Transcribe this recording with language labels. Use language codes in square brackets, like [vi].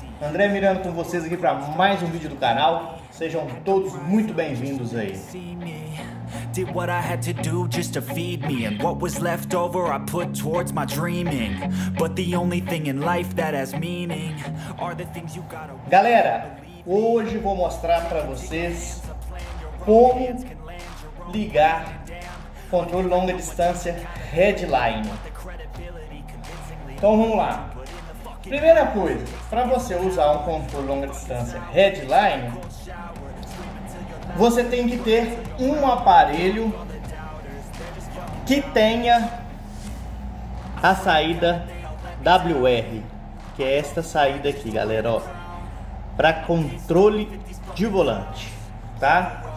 [pt] André Miranda com vocês aqui para mais um vídeo do canal. Sejam todos muito bem-vindos aí. [en] Did what I had to do just to feed me, and what was left over I put towards my dreaming. But the only thing in life that has meaning are the things you gotta. [pt] Galera, hoje vou mostrar para vocês como ligar controle longa distância headline. Então vamos lá. Primeira coisa, para você usar um controle longa distância headline, você tem que ter um aparelho que tenha a saída WR, que é esta saída aqui, galera, ó, para controle de volante, tá?